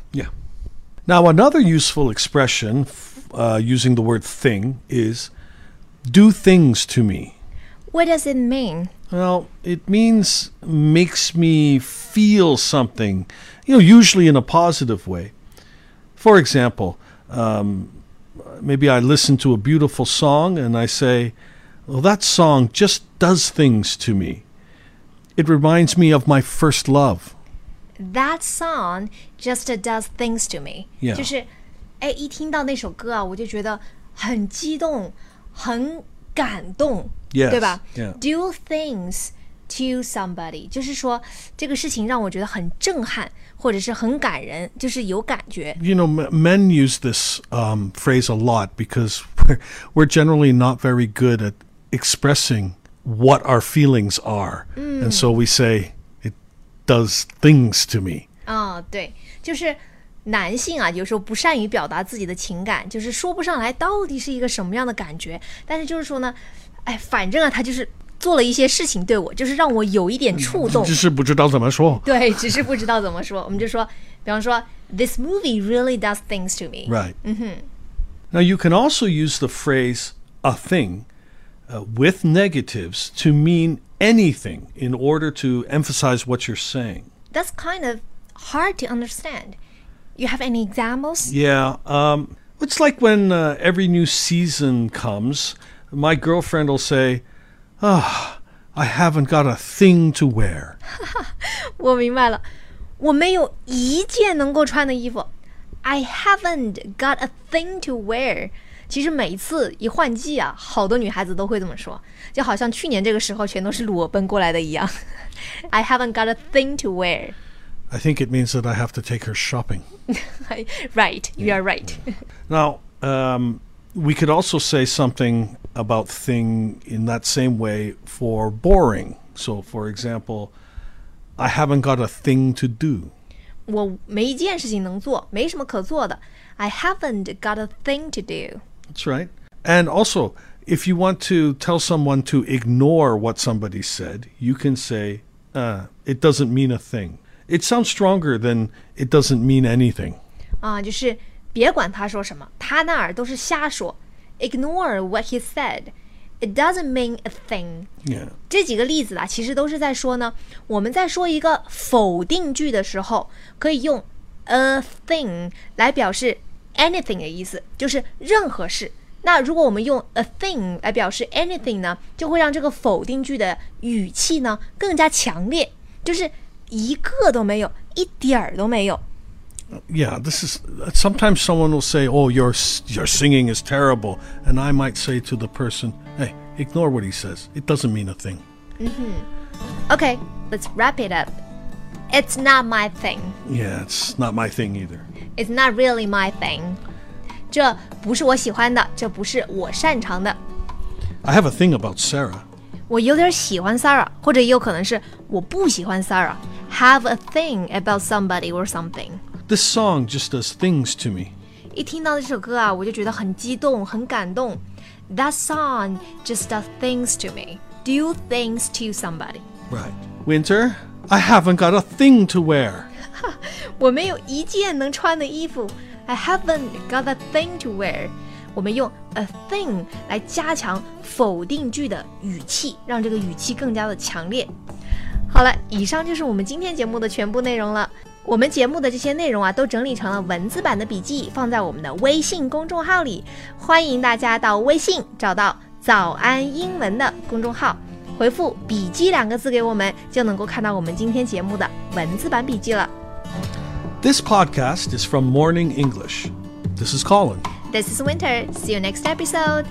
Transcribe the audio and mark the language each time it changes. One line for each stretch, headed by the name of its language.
English: Yeah. Now another useful expression using the word thing is do things to me. What does it mean? Well, it means makes me feel something, you know, usually in a positive way. For example, maybe I listen to a beautiful song and I say... Well, that song just does things to me. It reminds me of my first love. That song just does things to me. Yeah.
Chinese: 就是，哎，一听到那首歌啊，我就觉得很激动，很感动，
English: yes,
Chinese: 对吧？
English: Yeah. Do things to somebody.
Chinese: 就是说，这个事情让我觉得很震撼，或者是很感人，就是有感觉。
English: You know, men use this phrase a lot because we're generally not very good at... expressing what our feelings are. And so we say, it does things to me.
Chinese: 哦，对，就是男性啊，有时候不善于表达自己的情感，就是说不上来到底是一个什么样的感觉。但是就是说呢，哎，反正啊，他就是做了一些事情对我，就是让我有一点触动。只是不知道怎么说。对，只是不知道怎么说。我们就说，比方说 ，
English: This movie really does things to me. Right. 嗯哼。 Now you can also use the phrase a thing, with negatives to mean anything in order to emphasize what you're saying. That's kind of hard to understand. You have any examples? Yeah. It's like when every new season comes, my girlfriend will say, "Ah, I haven't got a thing to wear."
Chinese: 我明白了，我没有一件能够穿的衣服。
English: I haven't got a thing to wear.
Chinese: 其实每一次一换季啊，好多女孩子都会这么说，就好像去年这个时候全都是裸奔过来的一样。
English: I haven't got a thing to wear. I think it means that I have to take her shopping. Right, you are right. Now, we could also say something about thing in that same way for boring. So, for example, I haven't got a thing to do.
Chinese: 我没一件事情能做，没什么可做的。
English: I haven't got a thing to do. That's right. And also, if you want to tell someone to ignore what somebody said, you can say, it doesn't mean a thing. It sounds stronger than it doesn't mean anything.
Chinese: 啊，就是别管他说什么，他那儿都是瞎说。
English: Ignore what he said. It doesn't mean a thing. Yeah.
Chinese: 这几个例子啊，其实都是在说呢，我们在说一个否定句的时候，可以用 a thing 来表示 anything 的意思，就是任何事。那如果我们用 a thing 来表示 anything 呢，就会让这个否定句的语气呢更加强烈，就是。一个都没有，一点儿都没有。
English: Yeah, this is sometimes someone will say, "Oh, your singing is terrible," and I might say to the person, "Hey, ignore what he says. It doesn't mean a thing." Mm-hmm. Okay, let's wrap it up. It's not my thing. Yeah, it's not my thing either. It's not really my thing.
Chinese: 这不是我喜欢的，这不是我擅长的。
English: I have a thing about Sarah.
Chinese: 我有点喜欢 Sarah, 或者也有可能是我不喜欢 Sarah.
English: Have a thing about somebody or something. This song just does things to me.
Chinese: 一听到这首歌啊，我就觉得很激动，很感动。
English: That song just does things to me. Do things to somebody. Right. Winter, I haven't got a thing to wear.
Chinese: 我没有一件能穿的衣服。
English: I haven't got a thing to wear.
Chinese: 我们用 a thing 来加强否定句的语气，让这个语气更加的强烈。好了，以上就是我们今天节目的全部内容了。我们节目的这些内容啊，都整理成了文字版的笔记，放在我们的微信公众号里。欢迎大家到微信找到“早安英文”的公众号，回复“笔记”两个字给我们，就能够看到我们今天节目的文字版笔记了。
English: This podcast is from Morning English. This is Colin. This is Winter. See you next episode.